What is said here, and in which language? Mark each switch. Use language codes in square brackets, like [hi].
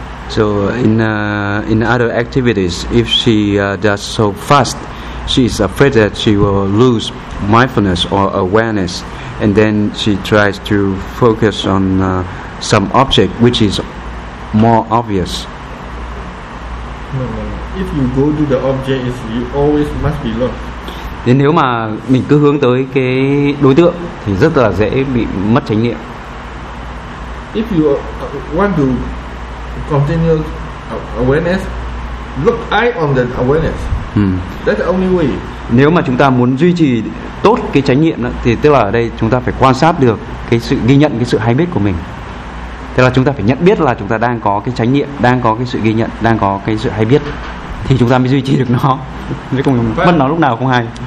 [en] So in other activities, if she does so fast, she is afraid that she will lose mindfulness or awareness, and then she tries to focus on some object which is more obvious. If you go to the object, you always must be lost. [vi] Thế nếu mà mình cứ hướng tới cái đối tượng thì rất là dễ bị mất chánh niệm. [en] If you want to continue awareness, look eye on the awareness. That's the only way. [vi] Nếu mà chúng ta muốn duy trì tốt cái chánh niệm thì tức là ở đây chúng ta phải quan sát được cái sự ghi nhận, cái sự hay biết của mình. Thế là chúng ta phải nhận biết là chúng ta đang có cái chánh niệm, đang có cái sự ghi nhận, đang có cái sự hay biết thì chúng ta mới duy trì được nó. Nếu không mất nó lúc nào không hay.